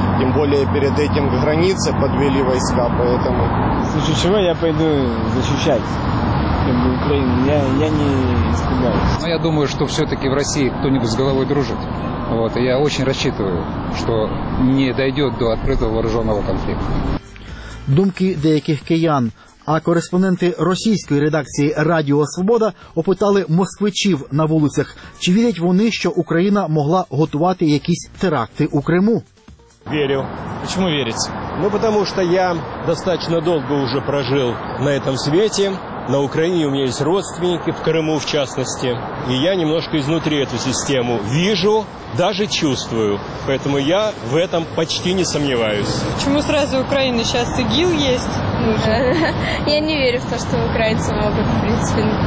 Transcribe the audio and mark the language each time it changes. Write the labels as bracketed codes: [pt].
[ru] Тем более перед этим к границе подвели войска, поэтому. В случае чего я пойду защищать Украину. Я не испугаюсь. Но я думаю, что все-таки в России кто-нибудь с головой дружит. Вот. И я очень рассчитываю, что не дойдет до открытого вооруженного конфликта. [uk] Думки деяких киян. А кореспонденти російської редакції «Радіо Свобода» опитали москвичів на вулицях, чи вірять вони, що Україна могла готувати якісь теракти у Криму. [ru] Верю. [uk] Чому вірить? Ну, тому що я достатньо довго вже прожив на цьому світі. [ru] На Украине у меня есть родственники, в Крыму в частности. И я немножко изнутри эту систему вижу, даже чувствую. Поэтому я в этом почти не сомневаюсь. Почему сразу Украина? Сейчас ИГИЛ есть уже. Я не верю в то, что украинцы могут, в принципе.